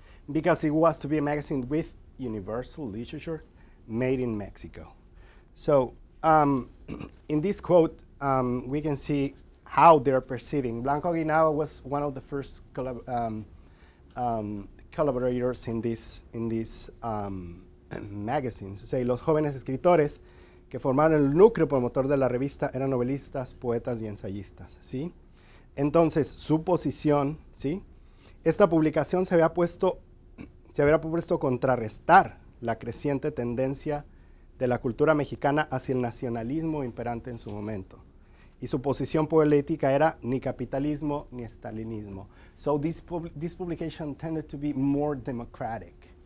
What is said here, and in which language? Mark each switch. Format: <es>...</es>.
<en>Because it was to be a magazine with universal literature made in Mexico. So in this quote, we can see how they're perceiving. Blanco Guinao was one of the first collaborators in this magazine. So, say,</en> <es>los jóvenes escritores que formaron el núcleo promotor de la revista eran novelistas, poetas y ensayistas, ¿sí? Entonces, su posición, ¿sí? Esta publicación se había puesto a contrarrestar la creciente tendencia de la cultura mexicana hacia el nacionalismo imperante en su momento. Y su posición política era ni capitalismo ni estalinismo.</es> <en>So this publication tended to be more democratic.</en>